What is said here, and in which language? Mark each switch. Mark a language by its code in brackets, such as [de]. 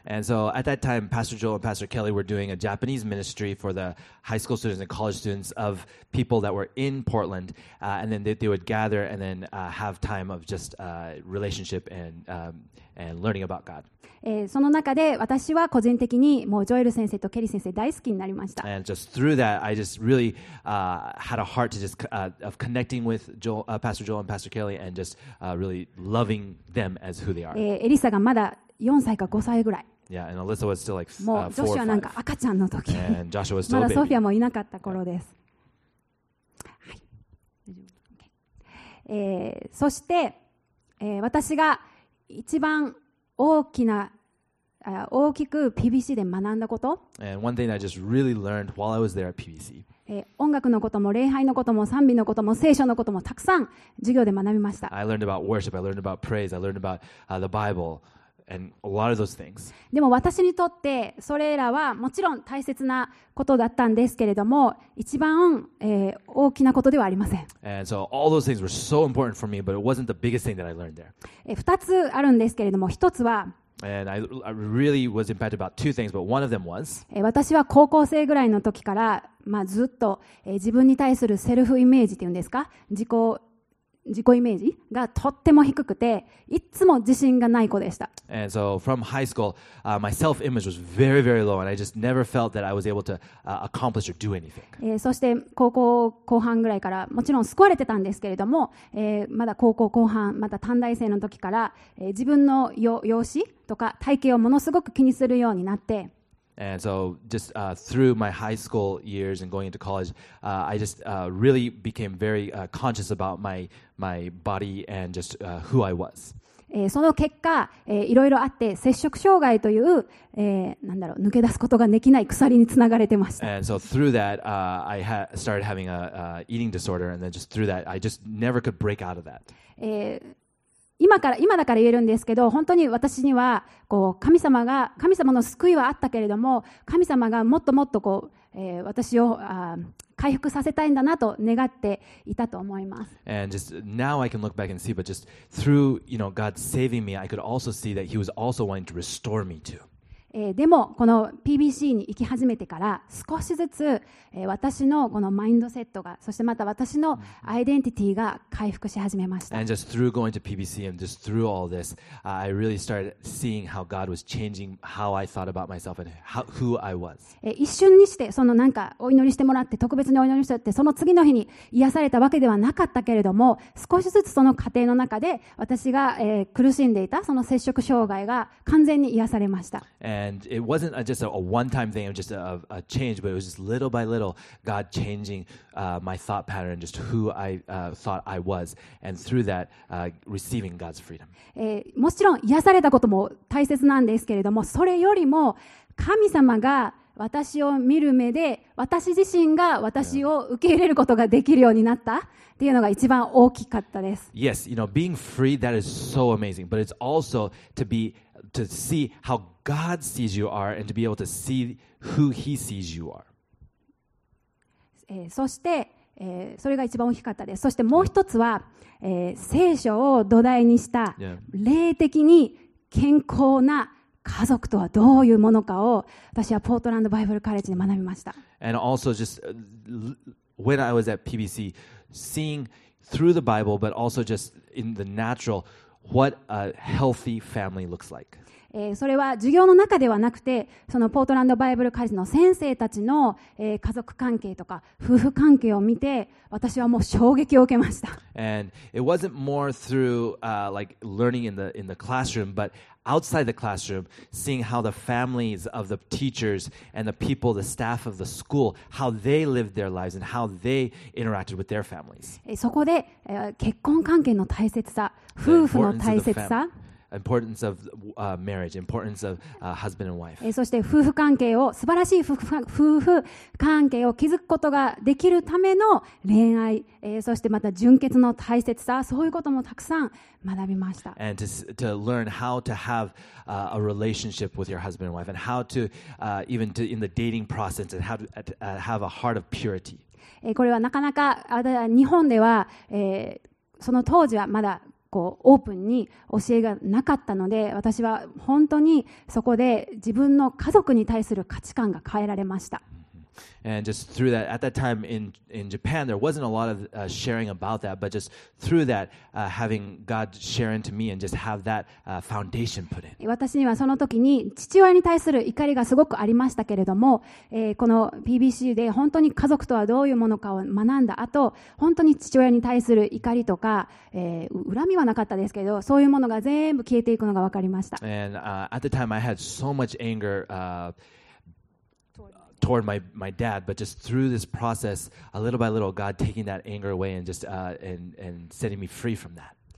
[en] And so at that time, Pastor Joel and Pastor Kelly were doing a Japanese ministry for the high school students and college students of people that were in Portland. And then they would gather and then have time of just relationship and learning about God. [ja] その中で私は個人的にもうジョエル先生とケリー先生大好きになりました。 [en] And just through that, I just really had a heart to just of connecting with Joel, Pastor Joel and Pastor Kelly, and just really loving them as who they are. [ja] エリサがまだ4歳か5歳ぐらい。 [en] Yeah, and Alyssa was still like four or five. [ja] もうジョシュアなんか赤ちゃんの時。 [en] And Joshua was still [ja] まだソフィアもいなかった頃です。はい。そして、私が一番大きな大きく PBC で学んだこと。 [en] And one thing I just really learned while I was there at PBC. [ja] 音楽のことも礼拝のことも賛美のことも聖書のこともたくさん授業で学びました。 [en] I learned about worship. I learned about praise. I learned about the Bible and a lot of those things. [ja] でも私にとってそれらはもちろん大切なことだったんですけれども、一番、大きなことではありません。 [en] And so all those things were so important for me, but it wasn't the biggest thing that I learned there. [ja] 二つあるんですけれども、一つは [en] And I really was impacted about two things, but one of them was. [ja] 私は高校生ぐらいの時から、まあ、ずっと、自分に対するセルフイメージっていうんですか、自己イメージがとっても低くて、いつも自信がない子でした。 [en] And so from high school, my self-image was very, very low, and I just never felt that I was able to accomplish or do anything. [ja] そして高校後半ぐらいから、もちろん救われてたんですけれども、まだ高校後半、また短大生の時から、自分の容姿とか体型をものすごく気にするようになって、 [en] And so just through my high school years and going into college, I just really became very conscious about my body and just who I was. [ja] その結果、いろいろあって摂食障害という、なんだろう、抜け出すことができない鎖につながれてました。 [en] And so through that, I started having a eating disorder, and then just through that, I just never could break out of that. [ja] 今だから言えるんですけど、本当に私にはこう神様の救いはあったけれども、神様がもっともっとこう、私を回復させたいんだなと願っていたと思います。 [en] And just now I can look back and see, but just through, you know, God saving me, I could also see that He was also wanting to restore me too. [ja] でもこの PBC に行き始めてから少しずつ、私のこのマインドセットが、そしてまた私のアイデンティティが回復し始めました。 [en] And just through going to PBC and just through all this, I really started seeing how God was changing how I thought about myself and who I was. [ja] 一瞬にしてそのなんかお祈りしてもらって、特別にお祈りしてって、その次の日に癒されたわけではなかったけれども、少しずつその過程の中で私が、苦しんでいたその摂食障害が完全に癒されました。 [en] And it wasn't just a one-time thing, it was just a change, but it was just little by little, God changing my thought pattern, just who I thought I was, and through that, receiving God's freedom. [ja] もちろん癒されたことも大切なんですけれども、それよりも神様が私を見る目で、私自身が私を受け入れることができるようになったっていうのが一番大きかったです。 [en] Yes, you know, being free, that is so amazing, but it's also to see how God sees you are and to be able to see who He sees you are. [ja] そして、それが一番大きかったです。そしてもう一つは、聖書を土台にした霊的に健康な家族とはどういうものかを私はポートランドバイブルカレッジで学びました。 [en] And also just when I was at PBC, seeing through the Bible, but also just in the natural, what a healthy family looks like. [ja] それは授業の中ではなくて、そのポートランドバイブルカレッジの先生たちの、家族関係とか夫婦関係を見て、私はもう衝撃を受けました。 [en] And it wasn't more through, like learning in the classroom, but outside the classroom, seeing how the families of the teachers and the people, the staff of the school, how they lived their lives and how they interacted with their families. [ja] そこで、結婚関係の大切さ、夫婦の大切さ。 [en] Importance of marriage, importance of husband and wife. [ja] そして夫婦関係を素晴らしい夫婦関係を築くことができるための恋愛、そしてまた純潔の大切さ、そういうこともたくさん学びました。 [en] And to learn how to have a relationship with your husband and wife, and how to even to in the dating process, and how to have a heart of purity. [ja] これはなかなか日本では、その当時はまだこうオープンに教えがなかったので、私は本当にそこで自分の家族に対する価値観が変えられました。 [en] And just through that, at that time in Japan, there wasn't a lot of sharing about that, but just through that, having God share into me and just have that foundation put in. [ja] 私にはその時に父親に対する怒りがすごくありましたけれども、この PBC で本当に家族とはどういうものかを学んだ後、本当に父親に対する怒りとか、恨みはなかったですけど、そういうものが全部消えていくのが分かりました。 [en] And at the time I had so much angerToward my dad, but just through this process, a little by little, God taking that anger away and just and setting me free from that.